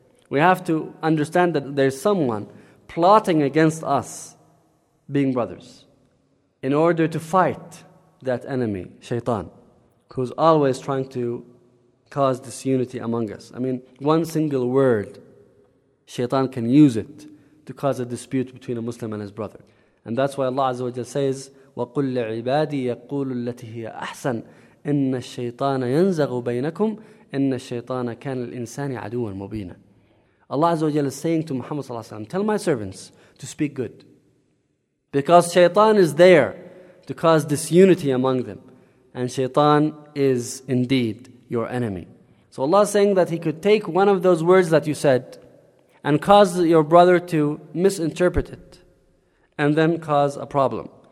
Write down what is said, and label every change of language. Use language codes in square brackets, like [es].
[en] We have to understand that there's someone plotting against us being brothers in order to fight that enemy, shaitan, who's always trying to cause disunity among us. I mean, one single word, shaitan can use it to cause a dispute between a Muslim and his brother. And that's why Allah Azza wa Jalla says, [ar] وَقُلْ لِعِبَادِي يَقُولُ الَّتِي هِيَ أَحْسَنُ إِنَّ الشَّيْطَانَ يَنْزَغُ بَيْنَكُمْ إِنَّ الشَّيْطَانَ كَانَ الْإِنسَانِ عَدُوًا مُبِينًا. [en] Allah Azza wa Jalla is saying to Muhammad [ar] صلى الله عليه وسلم, [en] tell my servants to speak good. Because shaitan is there to cause disunity among them. And shaitan is indeed your enemy. So Allah is saying that he could take one of those words that you said and cause your brother to misinterpret it and then cause a problem.